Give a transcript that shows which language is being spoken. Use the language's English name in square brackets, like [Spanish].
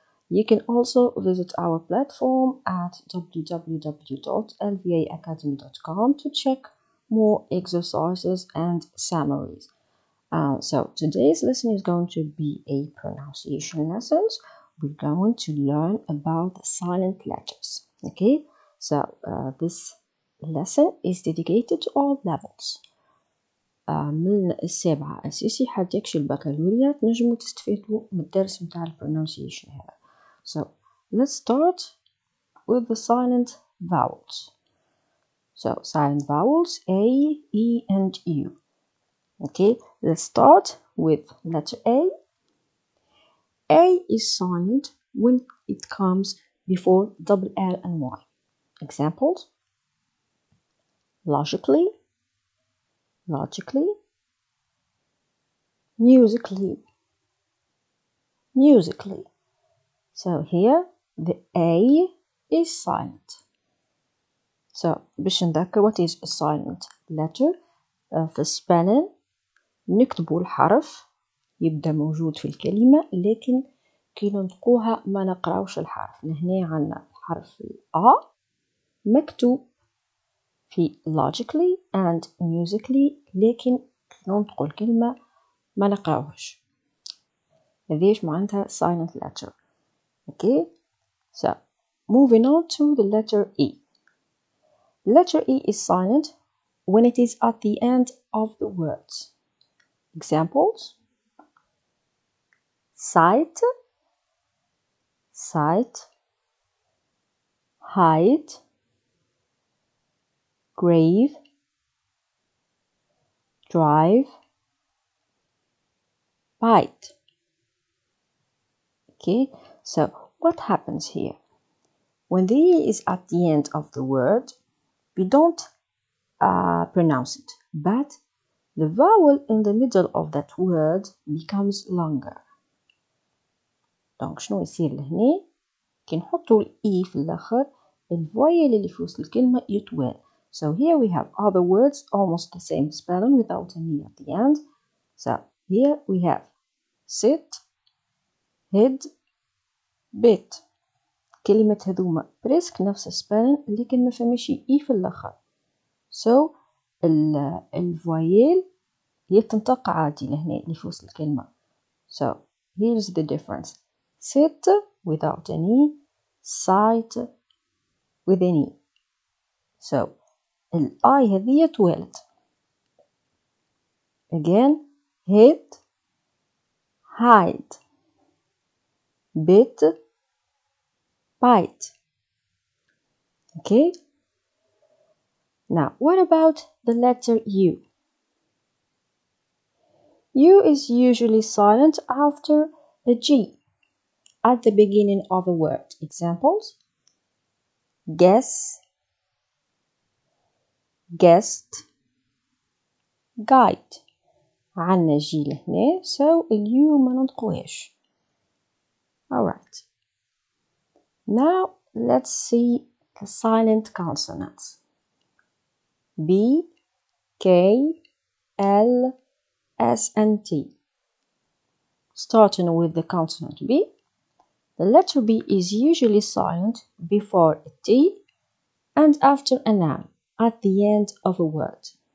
[English] You can also visit our platform at www.lvaacademy.com to check more exercises and summaries. So today's lesson is going to be a pronunciation lesson. We're going to learn about silent letters. Okay, so this lesson is dedicated to all levels. [Arabic] من السابعة أساسي حتى يكشي البكالوريا تنجموا تستفيدوا من الدرس متاع البرونسيشن هذا. [English] So let's start with the silent vowels. So silent vowels A, E, and U. Okay, let's start with letter A. A is silent when it comes before double L and Y. Examples: logically, logically, musically, musically. So here the A is silent. So [Arabic] باش نذكر [English] what is a silent letter. [Arabic] في spelling نكتبو الحرف يبدا موجود في الكلمة لكن كي ننطقوها ما نقراوش الحرف. هنا عندنا حرف A مكتوب في [English] logically and musically [Arabic] لكن كي ننطقو الكلمة ما نقراوهاش. هذيش معناتها [English] silent letter. Okay, so moving on to the letter E. Letter E is silent when it is at the end of the words. Examples: sight, sight, height, grave, drive, bite. Okay, so what happens here? When the E is at the end of the word, we don't pronounce it, but the vowel in the middle of that word becomes longer. [Arabic] Donc, شنو يصير لهنا؟ كي نحطوا الإي في الآخر، الفويل اللي في وسط الكلمة يطول. [English] So here we have other words, almost the same spelling without an E at the end. So here we have sit, head, bit. [Arabic] كلمة هذوما بريسك نفس السبان لكن ما فهمش إي في الأخر. So الفويل يتنطق عادي لهنا لفوس الكلمة. [English] So here's the difference. Sit without an E. Sight with an E. [Arabic] So الآي هذية طولت. [English] Again. Hit. Hide. Bit. Bite. Okay. Now, what about the letter U? U is usually silent after a G at the beginning of a word. Examples: guess, guest, guide. [Arabic] عنا G لهنا, so U ما ننطقوهاش. [English] All right. Now let's see the silent consonants. B, K, L, S, and T. Starting with the consonant B, the letter B is usually silent before a T and after an L at the end of a word.